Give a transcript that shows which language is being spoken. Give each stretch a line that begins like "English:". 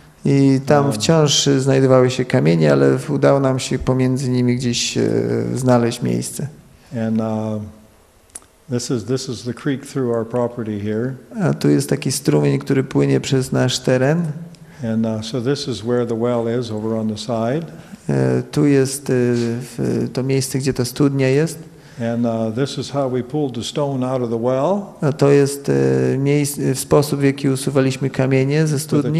Polish: I tam wciąż znajdowały się kamienie, ale udało nam się pomiędzy nimi gdzieś znaleźć miejsce.
English: And This is the creek through our property here.
Polish: A tu jest taki strumień, który płynie przez nasz teren.
English: And so this is where the well is over on the side.
Polish: Tu jest to miejsce, gdzie ta studnia jest.
English: And this is how we pulled the stone out of the well.
Polish: A to jest sposób, w jaki usuwaliśmy kamienie ze studni.